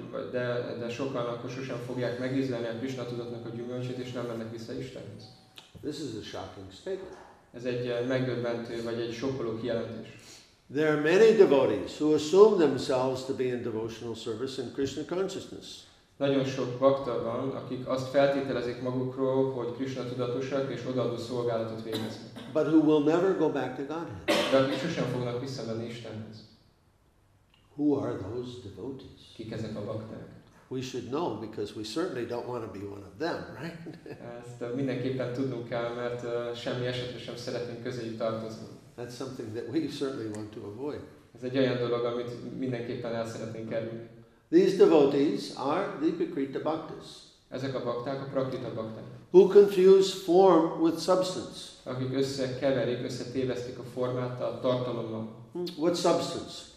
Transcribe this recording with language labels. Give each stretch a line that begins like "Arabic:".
Hungarian: De sokan akkor sosem fogják megízleni a Krishna tudatnak a gyümölcsét, és nem mennek vissza Istenhez.
English: This is a shocking statement.
Hungarian: Ez egy megdöbbentő, vagy egy sokkoló kijelentés.
English: There are many devotees who assume themselves to be in devotional service and Krishna consciousness.
Hungarian: Nagyon sok bhakta van, akik azt feltételezik magukról, hogy Krishna tudatosak, és odaadó szolgálatot végeznek.
English: But who will never go back to Godhead.
Hungarian: De akik sosem fognak visszamenni Istenhez.
English: Who are those devotees?
Hungarian: Kik ezek a bakták?
English: We should know because we certainly don't want to be one of them, right?
Hungarian: Ezt mindenképpen tudnunk kell, mert semmi esetre sem szeretnénk közéjük tartozni.
English: That's something that we certainly want to avoid.
Hungarian: Ez egy olyan dolog, amit mindenképpen el szeretnénk kerülni.
English: These devotees are the prakrita bhaktas.
Hungarian: Ezek a bakták a prakrita bakták.
English: Who confuse form with substance?
Hungarian: Akik összekeverik, összetévesztik a formát a tartalommal.
English: What substance?